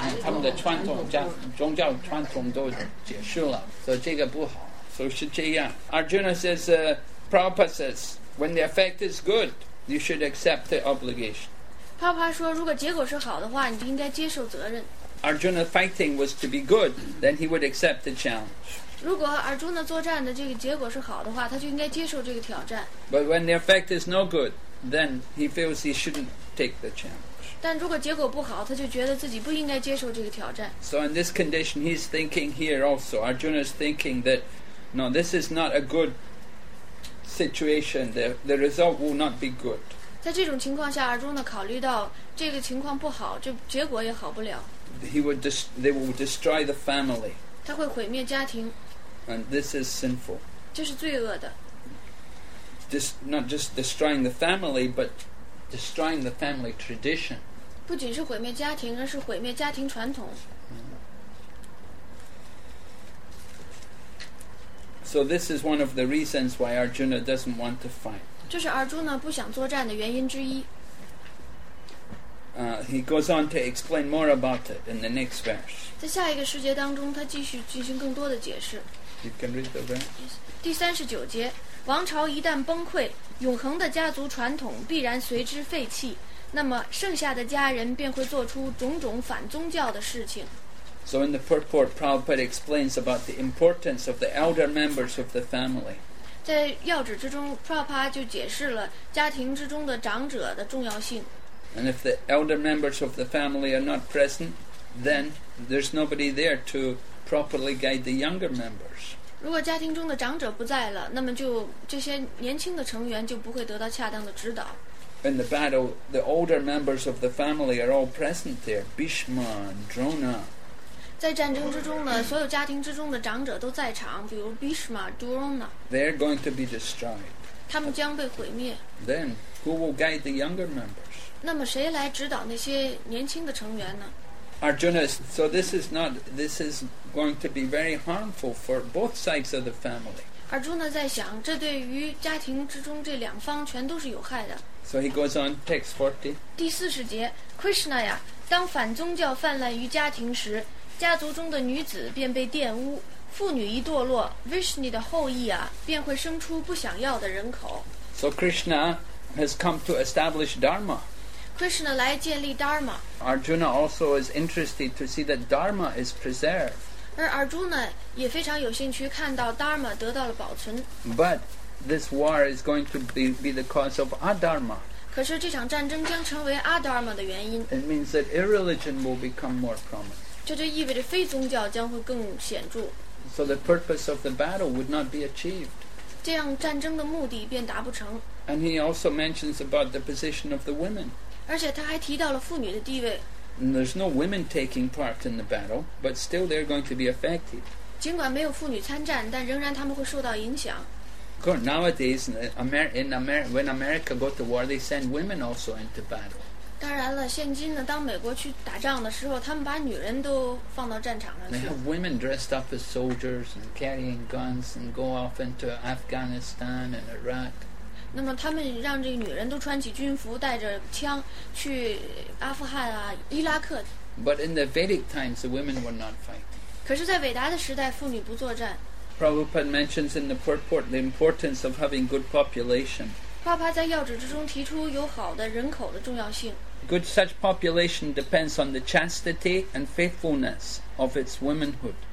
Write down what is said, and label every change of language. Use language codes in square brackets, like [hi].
[zh] 他们的传统宗教传统都结束了，所以这个不好。所以是这样。 [en] Arjuna says, Prabhupada says, when the effect is good, you should accept the obligation. [zh] Prabhupada 说，如果结果是好的话，你就应该接受责任。 [en] Arjuna fighting was to be good, then he would accept the challenge. [zh] 如果阿朱呢作战的这个结果是好的话，他就应该接受这个挑战。 [en] But when the effect is no good, then he feels he shouldn't take the challenge. [zh] 但如果结果不好，他就觉得自己不应该接受这个挑战。 [en] So in this condition, he's thinking here also. Arjuna is thinking that, no, this is not a good situation. The result will not be good. [zh] 在这种情况下，阿朱呢考虑到这个情况不好，这结果也好不了。 [en] They will destroy the family. [zh] 他会毁灭家庭。 [en] And this is sinful. [zh] 这是罪恶的。 [en] Not just destroying the family, but destroying the family tradition. [zh] 不仅是毁灭家庭，而是毁灭家庭传统。 [en] So this is one of the reasons why Arjuna doesn't want to fight. [zh] 这是 Arjuna 不想作战的原因之一。 [en] He goes on to explain more about it in the next verse. [zh] 在下一个世界当中，他继续进行更多的解释。 [en] You can read the verse. [zh] 第三十九节，王朝一旦崩溃，永恒的家族传统必然随之废弃，那么剩下的家人便会做出种种反宗教的事情。 [en] So in the purport, Prabhupada explains about the importance of the elder members of the family. [zh] 在要旨之中 ，Prabhupada 就解释了家庭之中的长者的重要性。 [en] And if the elder members of the family are not present, then there's nobody there to properly guide the younger members. [zh] 如果家庭中的长者不在了，那么就这些年轻的成员就不会得到恰当的指导。 [en] In the battle, the older members of the family are all present there. Bhishma, Drona. [zh] 在战争之中呢，所有家庭之中的长者都在场，比如 Bhishma, Drona. [en] They're going to be destroyed. [zh] 他们将被毁灭。 [en] Then, who will guide the younger members? [zh] 那么谁来指导那些年轻的成员呢？ [en] Arjuna, so this is going to be very harmful for both sides of the family. [zh] Arjuna 在想，这对于家庭之中这两方全都是有害的。 [en] So he goes on, text 40. [zh] 第四十节 ，Krishna 呀，当反宗教泛滥于家庭时，家族中的女子便被玷污，妇女一堕落 ，Vishnu 的后裔啊，便会生出不想要的人口。 [en] So Krishna. Has come to establish Dharma. [zh] Krishna 来建立 Dharma. [en] Arjuna also is interested to see that Dharma is preserved. [zh] 而 Arjuna 也非常有兴趣看到 Dharma 得到了保存。 [en] But this war is going to be the cause of Adharma. [zh] 可是这场战争将成为 Adharma 的原因。 [en] It means that irreligion will become more prominent. [zh] 这就意味着非宗教将会更显著。 [en] So the purpose of the battle would not be achieved. [zh] 这样战争的目的便达不成。 [en] And he also mentions about the position of the women. [zh] 而且他还提到了妇女的地位。 [en] And there's no women taking part in the battle, but still they're going to be affected. [zh] 尽管没有妇女参战，但仍然他们会受到影响。 [en] Of course, nowadays, when America go to war, they send women also into battle. [zh] 当然了，现今呢，当美国去打仗的时候，他们把女人都放到战场上去。 [en] They have women dressed up as soldiers and carrying guns and go off into Afghanistan and Iraq. [zh] 那么他们让这个女人都穿起军服，带着枪去阿富汗啊、伊拉克。 [en] But in the Vedic times, the women were not fighting. [zh] 可是，在伟大的时代，妇女不作战。 [en] Prabhupada mentions in the purport the importance of having good population. [zh] 帕帕在要旨之中提出有好的人口的重要性。 [en] Good such population depends on the chastity and faithfulness of its womanhood.